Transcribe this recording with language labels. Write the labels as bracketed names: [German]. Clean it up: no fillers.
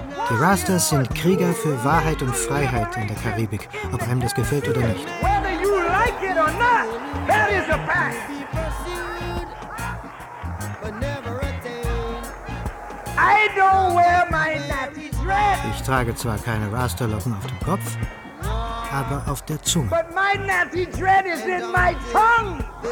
[German] Die Rastas sind Krieger für Wahrheit und Freiheit in der Karibik, ob einem das gefällt oder nicht. [English] Whether you like it or not, that is a fact. I don't wear my nappy dress. [German] Ich trage zwar keine Rasterlocken auf dem Kopf, aber auf der Zunge. [English] But my nappy dread is in my tongue.